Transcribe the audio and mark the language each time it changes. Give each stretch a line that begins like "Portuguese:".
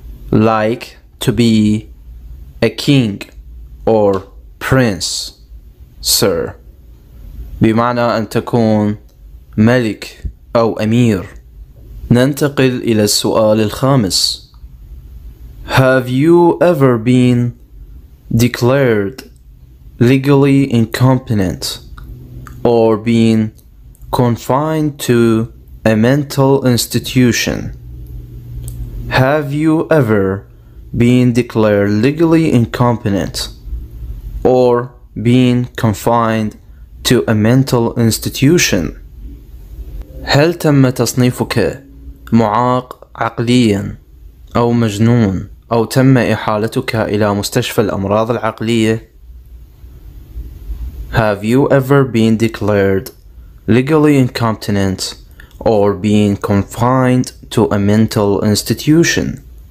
English: Like to be a king or prince, sir.
Arabic: بمعنى أن تكون ملك أو أمير. ننتقل إلى السؤال الخامس.
English: Have you ever been declared legally incompetent or been confined to a mental institution? Have you ever been declared legally incompetent or been confined to a mental institution?
Arabic: هل تم تصنيفك معاق عقليا أو مجنون أو تم إحالتك إلى مستشفى الأمراض العقلية؟
English: Have you ever been declared legally incompetent or been confined to a mental institution?